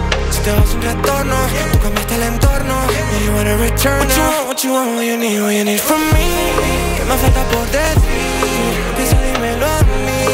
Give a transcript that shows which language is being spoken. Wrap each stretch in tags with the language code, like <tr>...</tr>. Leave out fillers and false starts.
<es>Si te vas un retorno, tú cambiaste el entorno.</es> <en>Yeah, you wanna return now. What you want, what you need from me.</en> <es>Que me falta por decir, piensa dímelo a mí.</es>